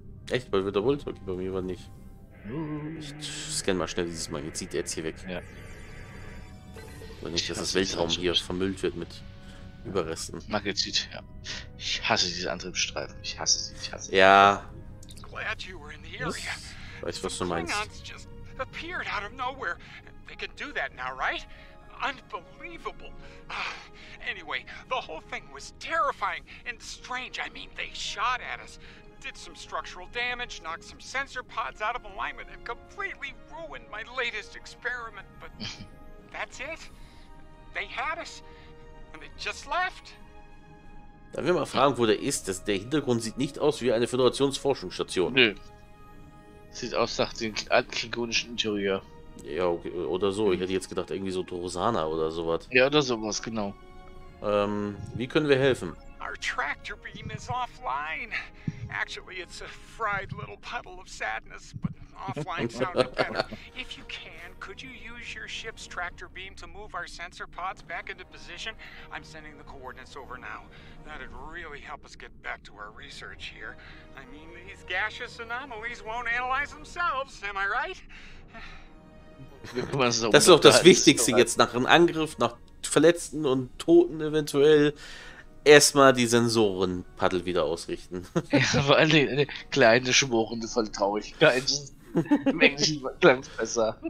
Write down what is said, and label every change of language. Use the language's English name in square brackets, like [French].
[German] Echt? Bei wiederholt? Okay, bei mir war nicht. Ich scanne mal schnell dieses Mal. Jetzt zieht er jetzt hier weg. Ja. Oder nicht, dass das Weltraum hier vermüllt wird mit Überresten. Magnetit, ja. Ich hasse diese Antriebsstreifen. Ich hasse sie, Ja. [English] Glad you were in the area. [German] Weiß, was du meinst. [English] Klingons just appeared out of nowhere. They can do that now, right? Unbelievable. Anyway, the whole thing was terrifying and strange. I mean, they shot at us, did some structural damage, knocked some sensor pods out of alignment and completely ruined my latest experiment, but... That's it. They had us. And they just left. [German] Darf ich mal fragen, wo der ist? Der Hintergrund sieht nicht aus wie eine Föderationsforschungsstation. Nö. Sieht aus nach dem klingonischen Interieur. Ja, okay. Oder so. Ich hätte jetzt gedacht, irgendwie so Torosana oder sowas. Ja, oder sowas, genau. Wie können wir helfen? [English] Our tractor beam is offline. Actually, it's a fried little puddle of sadness, but offline sounded better. If you can, could you use your ship's tractor beam to move our sensor pods back into position? I'm sending the coordinates over now. That'd really help us get back to our research here. I mean, these gaseous anomalies won't analyze themselves, am I right? [German] Das ist auch das Wichtigste jetzt nach einem Angriff, nach Verletzten und Toten eventuell. Erstmal die Sensorenpaddel wieder ausrichten. Ja, vor allem eine kleine schmorende Volltraurigkeit. Menschen klang besser.